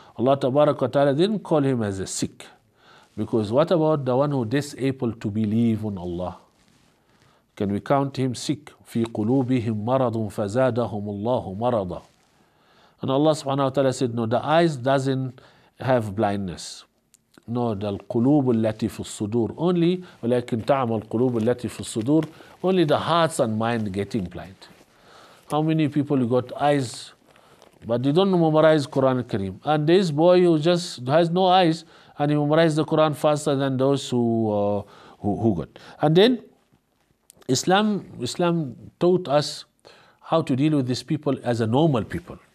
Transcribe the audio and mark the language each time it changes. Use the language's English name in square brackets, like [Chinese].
[English] Allah tabarak wa ta'ala didn't call him as a sick. Because what about the one who disabled to believe in Allah? Can we count him sick? [Arabic] فِي قُلُوبِهِمْ مَرَضٌ فَزَادَهُمُ اللَّهُ مَرَضًا. [English] And Allah subhanahu wa ta'ala said, no, the eyes doesn't have blindness. No, the [Arabic] القلوب التي في الصدور. [English] Only, [Arabic] ولكن تعم القلوب التي في الصدور. [English] Only the hearts and mind getting blind. How many people got eyes, but they don't memorize Quran Kareem? And this boy who just has no eyes, and he memorized the Quran faster than those who got. And then Islam taught us how to deal with these people as a normal people.